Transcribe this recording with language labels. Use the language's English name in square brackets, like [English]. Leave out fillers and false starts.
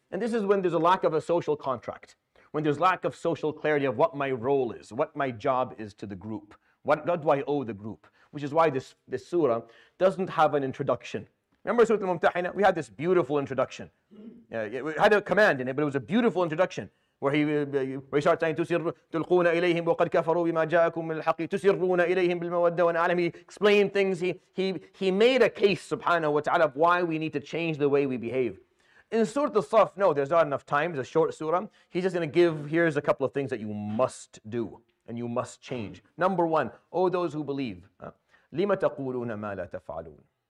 [English] And this is when there's a lack of a social contract, when there's lack of social clarity of what my role is, what my job is to the group, what do I owe the group? Which is why this surah doesn't have an introduction. Remember Surah Al-Mumtahina? We had this beautiful introduction. It had a command in it, but it was a beautiful introduction. Where he starts saying, [Arabic] تُلْقُونَ إِلَيْهِمْ وَقَدْ كَفَرُوا بِمَا جَاءَكُمْ مِنْ الْحَقِّ تُسِرُّونَ إِلَيْهِمْ بِالْمَوَدَّ وَالْعَلَمْ. [English] He explained things. He made a case, subhanahu wa ta'ala, of why we need to change the way we behave. In Surah Al-Saf, no, there's not enough time. It's a short surah. He's just going to give, here's a couple of things that you must do and you must change. Number one, oh, those who believe, [Arabic] لِمَ تَقُولُونَ مَا لَا تَفْعَلُونَ.